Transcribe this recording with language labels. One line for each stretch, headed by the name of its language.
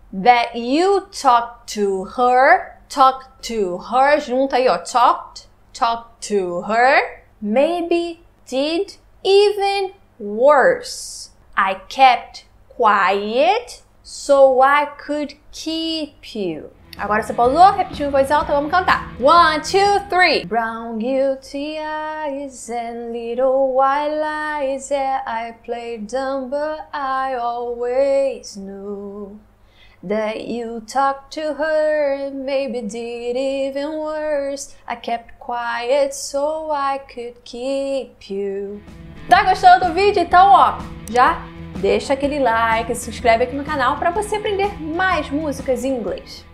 English: That you talked to her,
Portuguese: junta aí, ó,
English: talked to her, maybe did even worse. I kept quiet so I could keep you.
Portuguese: Agora você pausou, repetiu em voz alta, vamos cantar.
English: 1, 2, 3. Brown guilty eyes and little white lies. Yeah, I played dumb but I always knew. That you talked to her and maybe did even worse. I kept quiet so I could keep you.
Portuguese: Tá gostando do vídeo? Então, ó, já deixa aquele like, se inscreve aqui no canal pra você aprender mais músicas em inglês.